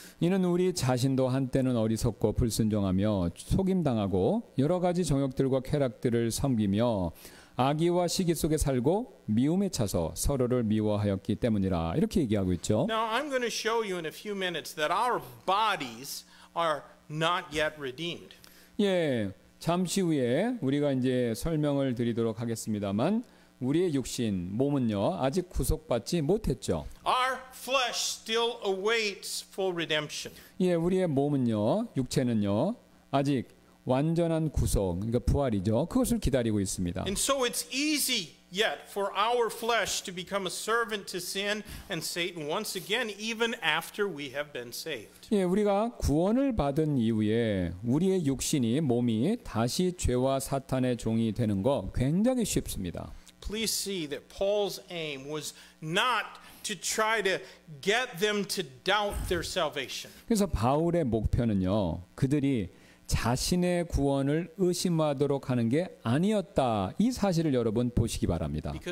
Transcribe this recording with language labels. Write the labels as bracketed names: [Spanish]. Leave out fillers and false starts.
[Korean] 이는 우리 자신도 한때는 어리석고 불순종하며 속임당하고 여러 가지 정욕들과 쾌락들을 섬기며 악의와 시기 속에 살고 미움에 차서 서로를 미워하였기 때문이라 이렇게 얘기하고 있죠. [English] Now I'm going to show you in a few minutes that our bodies are not yet redeemed. [Korean] 예, 잠시 후에 우리가 이제 설명을 드리도록 하겠습니다만 우리의 육신, 몸은요 아직 구속받지 못했죠. [English] Our flesh still awaits full redemption. [Korean] 예, 우리의 몸은요, 육체는요 아직 완전한 구속, 그러니까 부활이죠. 그것을 기다리고 있습니다. [English] And so it's easy yet for our flesh to become a servant to sin and Satan once again, even after we have been saved. [Korean] 예, 우리가 구원을 받은 이후에 우리의 육신이 몸이 다시 죄와 사탄의 종이 되는 거 굉장히 쉽습니다. [English] Please see that Paul's aim was not to try to get them to doubt their salvation. [Korean] 그래서 바울의 목표는요, 그들이 자신의 구원을 의심하도록 하는 게 아니었다. 이 사실을 여러분 보시기 바랍니다.